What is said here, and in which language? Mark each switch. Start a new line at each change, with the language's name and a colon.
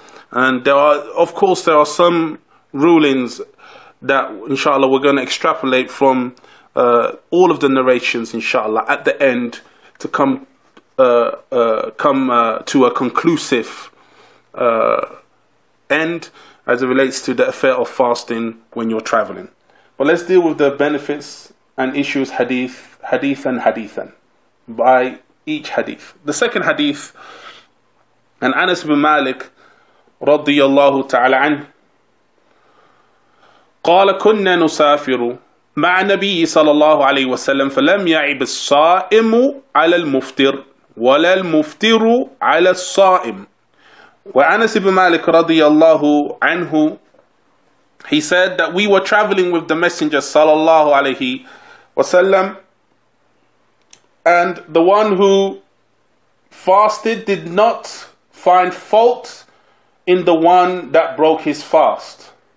English: And there are, of course, there are some rulings that, inshallah, we're going to extrapolate from all of the narrations, inshallah, at the end to come to a conclusive end as it relates to the affair of fasting when you're traveling. But let's deal with the benefits and issues hadithan. By each hadith. The second hadith, and Anas ibn Malik radiyallahu ta'ala anhu,
Arabic: قال كنا نسافر مع نبي صلى الله عليه وسلم فلم يعب الصائم على المفطر ولا المفطر على الصائم.
English: وأنس ibn Malik radiyallahu anhu, he said that we were traveling with the Messenger صلى الله عليه وسلم, and the one who fasted did not find fault in the one that broke his fast.